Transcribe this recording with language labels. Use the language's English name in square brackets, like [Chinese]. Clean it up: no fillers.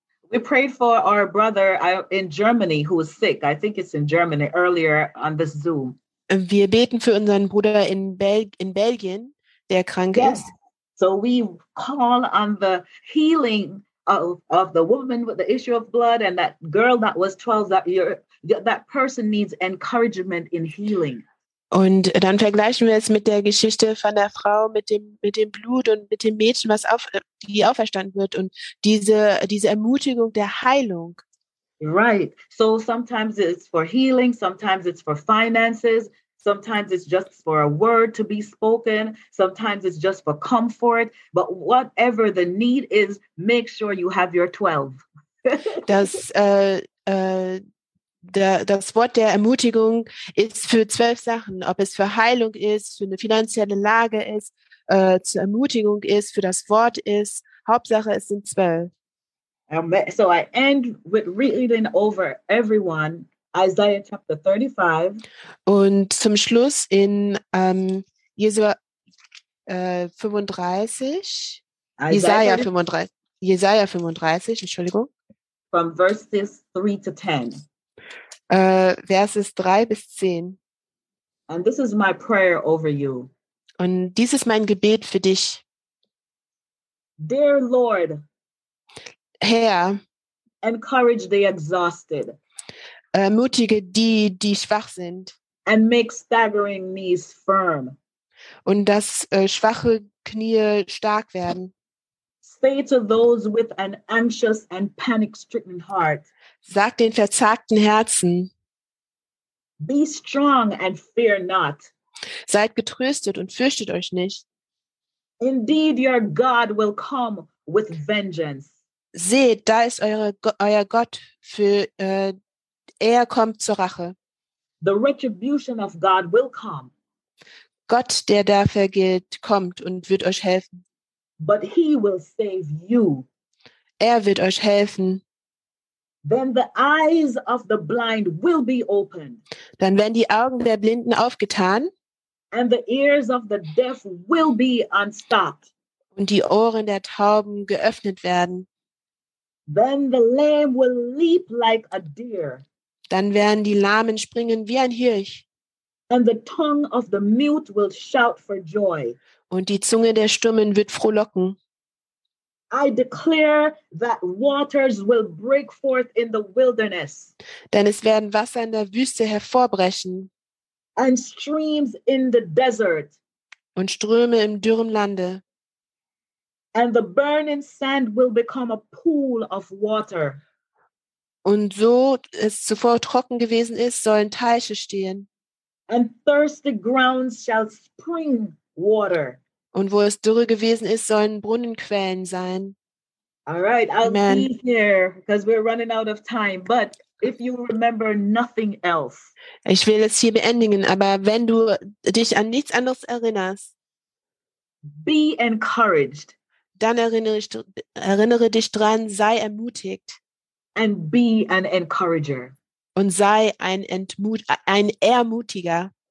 [English] We prayed for our brother in Germany who is sick. I think it's in Germany earlier on this Zoom. [German] Wir beten für unseren Bruder in Belgien, der krank ist. [English] So we call on the healing of the woman with the issue of blood and that girl that was 12, that person needs encouragement in healing. [German] Und dann vergleichen wir es mit der Geschichte von der Frau mit dem Blut und mit dem Mädchen, die auferstanden wird, und diese Ermutigung der Heilung. [English] Right. So sometimes it's for healing, sometimes it's for finances, Sometimes it's just for a word to be spoken. Sometimes it's just for comfort. But whatever the need is, make sure you have your 12. [German] Das Wort der Ermutigung ist für 12 Sachen, ob es für Heilung ist, für eine finanzielle Lage ist, zur Ermutigung ist, für das Wort ist. Hauptsache, es sind 12. [English] So I end with reading over everyone Isaiah chapter 35. [German] Und zum Schluss in Jesua 35, Jesaja 35, Entschuldigung. [English] From verses 3 to 10. [German] Verses 3 bis 10. [English] And this is my prayer over you. [German] Und dies ist mein Gebet für dich. [English] Dear Lord. [German] Herr. [English] Encourage the exhausted. [German] Ermutige die, die schwach sind. [English] And make staggering knees firm. [German] Und dass schwache Knie stark werden. [English] Say to those with an anxious and panic-stricken heart. [German] Sag den verzagten Herzen. [English] Be strong and fear not. [German] Seid getröstet und fürchtet euch nicht. [English] Indeed, your God will come with vengeance. [German] Seht, da ist euer Gott, für er kommt zur Rache. [English] The retribution of God will come. [German] Gott, der da vergilt, kommt und wird euch helfen. [English] But he will save you. [German] Er wird euch helfen. [English] Then the eyes of the blind will be opened. [German] Dann werden die Augen der Blinden aufgetan. [English] And the ears of the deaf will be unstopped. [German] Und die Ohren der Tauben geöffnet werden. [English] Then the lamb will leap like a deer. [German] Dann werden die Lahmen springen wie ein Hirsch. [English] And the tongue of the mute will shout for joy. [German] Und die Zunge der Stummen wird frohlocken. [English] I declare that waters will break forth in the wilderness. [German] Denn es werden Wasser in der Wüste hervorbrechen. [English] And streams in the desert. [German] Und Ströme im dürren Lande. [English] And the burning sand will become a pool of water. [German] Und so es zuvor trocken gewesen ist, sollen Teiche stehen. [English] And thirsty grounds shall spring water. [German] Und wo es dürre gewesen ist, sollen Brunnenquellen sein. [English] All right, I'll Amen. Be here because we're running out of time. But if you remember nothing else. [German] Ich will es hier beenden, aber wenn du dich an nichts anderes erinnerst. [English] Be encouraged. [German] Dann erinnere dich dran, sei ermutigt. [English] And be an encourager. [German] Und sei ein Ermutiger.